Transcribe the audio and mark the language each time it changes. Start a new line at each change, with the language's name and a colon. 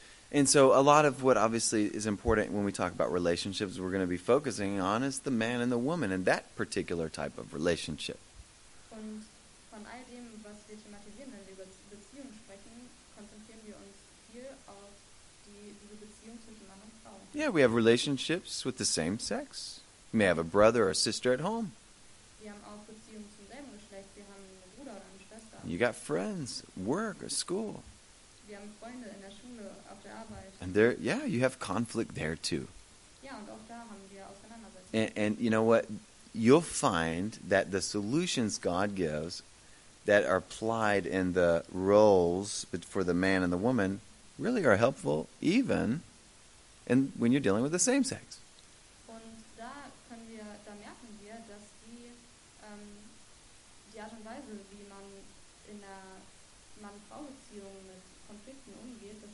English: And so a lot of what obviously is important when we talk about relationships we're going to be focusing on is the man and the woman and that particular type of relationship.
German: Und von all dem, was wir thematisieren, wenn wir über Beziehungen sprechen, konzentrieren wir uns viel auf diese Beziehung zwischen Mann und Frau.
English: Yeah, we have relationships with the same sex. We may have a brother or a sister at home.
German: Wir haben auch Beziehungen zum selben Geschlecht. Wir haben einen Bruder oder eine Schwester.
English: You got friends, work, or school.
German: Wir haben Freunde in der Schule, auf der Arbeit.
English: And there, yeah, you have conflict there too.
German: Ja, und auch da haben wir Auseinandersetzungen.
English: And you know what? You'll find that the solutions God gives that are applied in the roles for the man and the woman really are helpful even in, when you're dealing with the same sex.
German: Und da merken wir, dass die Art und Weise, wie man in der Mann-Frau-Beziehung mit